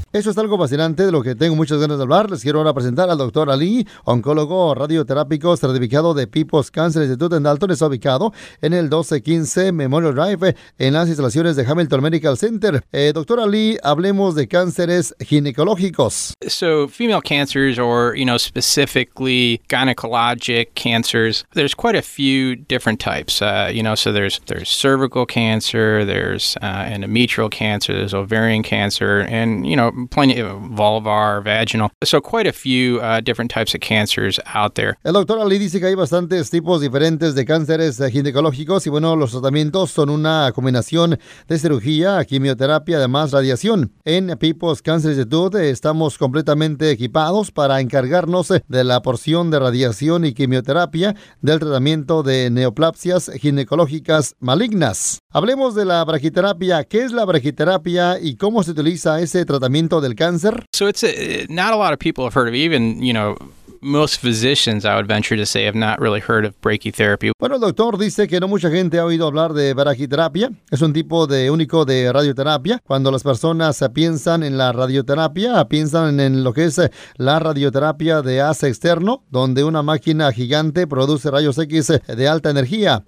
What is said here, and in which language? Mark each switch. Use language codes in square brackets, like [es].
[es] Eso es algo fascinante de lo que tengo muchas ganas de hablar. Les quiero ahora presentar al Dr. Ali, oncólogo radioterápico certificado de PIPOS Cancer Institute en Dalton. Está ubicado en el 1215 Memorial Drive, en las instalaciones de Hamilton Medical Center. Dr. Ali, hablemos de cánceres ginecológicos. [en] So, female cancers, or, you know, specifically gynecologic cancers, there's quite a few different types. So there's cervical cancer, there's endometrial cancer, there's ovarian cancer, and, you know, plenty of vulvar, vaginal. So quite a few different types of cancers out there. [es] El doctor Ali dice que hay bastantes tipos diferentes de cánceres ginecológicos y bueno, los tratamientos son una combinación de cirugía, quimioterapia, además radiación. En PIPOS Cancer Institute estamos completamente equipados para encargarnos de la porción de radiación y quimioterapia del tratamiento de neoplasias ginecológicas malignas. Hablemos de la braquiterapia. ¿Qué es la braquiterapia y cómo se utiliza ese tratamiento del cáncer? [en] So it's not a lot of people have heard of it, even, you know, most physicians, I would venture to say, have not really heard of brachytherapy. [es] Bueno, el doctor dice que no mucha gente ha oído hablar de brachyterapia. Es un tipo de único de radioterapia. Cuando las personas piensan en la radioterapia, piensan en lo que es la radioterapia de haz externo, donde una máquina gigante produce rayos X de alta energía.